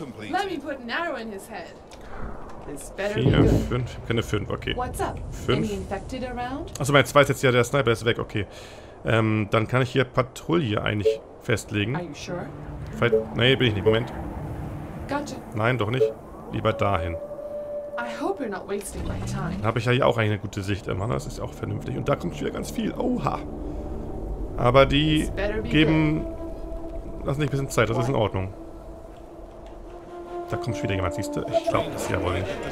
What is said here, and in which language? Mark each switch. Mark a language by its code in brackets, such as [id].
[en] Let me put an arrow in his head. [de] Vier, fünf. Ich hab keine fünf, okay. [en] What's up? [de] Fünf. [en] Any infected around? [de] Achso, mein zweiter ist jetzt ja der Sniper, ist weg, okay. Dann kann ich hier Patrouille eigentlich festlegen. [en] Are you sure? [de] Vielleicht, nee, bin ich nicht. Moment. [en] Gotcha. [de] Nein, doch nicht. Lieber dahin. [en] I hope you're not wasting my time. [de] Dann habe ich ja hier auch eigentlich eine gute Sicht, Mann. Das ist ja auch vernünftig. Und da kommt wieder ganz viel. Oha. Aber die geben. Das ist nicht ein bisschen Zeit, das ist in Ordnung. Da kommt wieder jemand, siehst du? Ich glaube, das ist ja wohl nicht.